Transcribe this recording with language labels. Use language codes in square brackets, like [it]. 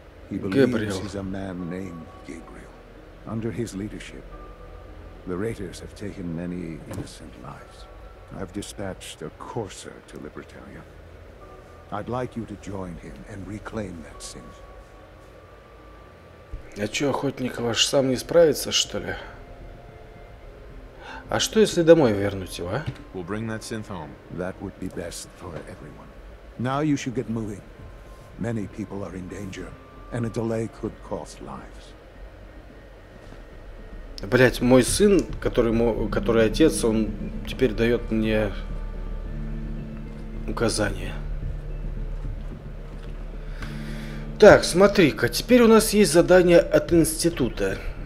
[en] He believes he's a man named Gabriel. Under his leadership, the Raiders have taken many innocent lives. I've dispatched a courser to Libertalia. I'd like you to join him and reclaim that synth. [ru] А чё, охотник ваш сам не справится, что ли? А что, если домой вернуть его, а? [en] We'll bring that synth home. That would be best for everyone. Now you should get moving. Many people are in danger, and a delay could cost lives. [ru] Блять, мой сын, который отец, он теперь дает мне указания. Так, смотри-ка, теперь у нас есть задание от института.